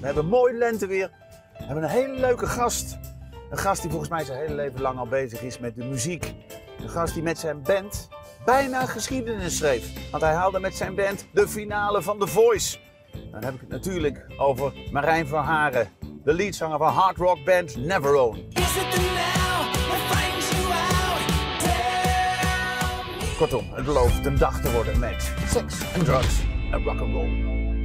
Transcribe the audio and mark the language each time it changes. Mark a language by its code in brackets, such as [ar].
[nl] We hebben mooi lenteweer. We hebben een hele leuke gast. Een gast die volgens mij zijn hele leven lang al bezig is met de muziek. Een gast die met zijn band bijna geschiedenis schreef. Want hij haalde met zijn band de finale van The Voice. Dan heb ik het natuurlijk over Marijn van Haren. De leadzanger van hard rock band Navarone. [en] Is it the now that finds you out? [nl] Kortom, het belooft een dag te worden met seks, drugs en rock'n'roll.